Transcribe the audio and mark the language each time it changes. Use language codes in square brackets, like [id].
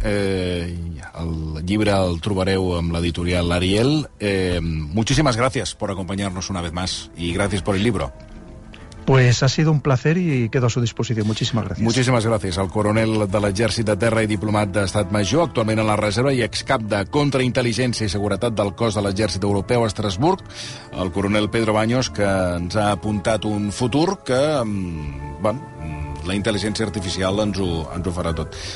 [ca] El llibre el trobareu amb l'editorial Ariel. [es] Muchísimas gracias por acompanyar-nos una vez más y gracias por el libro. Pues ha sido un placer y quedo a su disposición. Muchísimas gracias. Muchísimas gracias [ca] al coronel de l'Exèrcit de Terra i diplomat d'Estat Major, actualment en la reserva i excap de contraintel·ligència i seguretat del cos de l'Exèrcit Europeu a Estrasburg, el coronel Pedro Baños, que ens ha apuntat un futur que, bueno, la intel·ligència artificial ens ho farà tot.